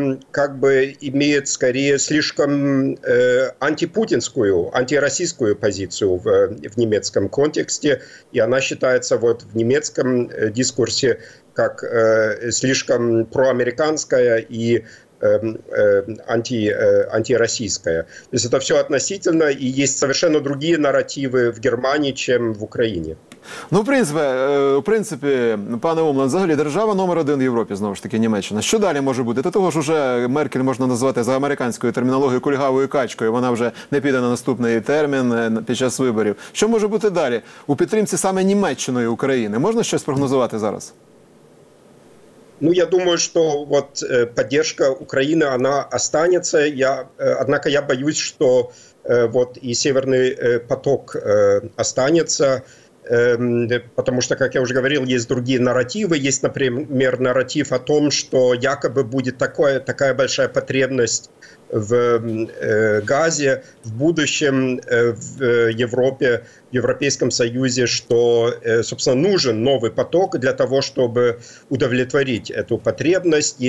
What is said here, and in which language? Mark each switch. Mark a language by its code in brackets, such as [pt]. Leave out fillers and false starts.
[ru] как бы имеет скорее слишком антипутинскую, антироссийскую позицию в немецком контексте, и она считается вот в немецком дискурсе как слишком проамериканская и антироссийская. То есть это все относительно, и есть совершенно другие нарративы в Германии, чем в Украине. [uk] Ну, в принципі, пане Умлен, взагалі, держава номер один в Європі, знову ж таки, Німеччина. Що далі може бути? До того ж, уже Меркель можна назвати за американською термінологією кульгавою качкою. Вона вже не піде на наступний термін під час виборів. Що може бути далі у підтримці саме Німеччиною України? Можна щось прогнозувати зараз? [ru] Ну, я думаю, что вот поддержка Украины, она останется. Однако я боюсь, что вот и Северный поток останется, потому что, как я уже говорил, есть другие нарративы. Есть, например, нарратив о том, что якобы будет такая большая потребность в газе в будущем в Европе, в Европейском Союзе, что, собственно, нужен новый поток для того, чтобы удовлетворить эту потребность.